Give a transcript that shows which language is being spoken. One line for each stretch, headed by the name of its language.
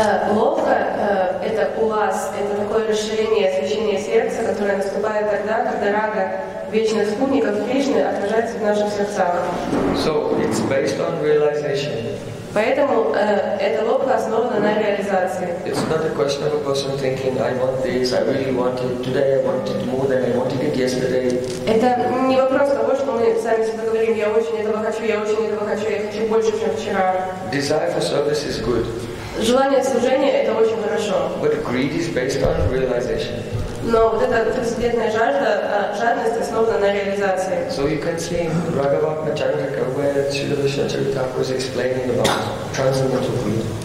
Russian: Ловка — это улас, это такое расширение и освещение сердца, которое наступает тогда, когда рага вечных спутников Кришны отражается в наших сердцах.
English: So it's based on realization.
Russian: Поэтому эта ловка основана на реализации.
English: It's not a question of a person thinking, I want this, I really want it, today I want it more than I wanted it yesterday.
Russian: Это не вопрос того, что мы сами себе говорим, я очень этого хочу, я очень этого хочу, я хочу больше, чем вчера.
English: Desire for service is good.
Russian: Желание служения — это очень хорошо.
English: But greed is based on realization.
Russian: Но вот эта трансцендентная жажда, жадность основана на реализации.
English: So you can see in Raghavatma Charitaka, where Śrīla Śrīla was explaining about transcendental greed.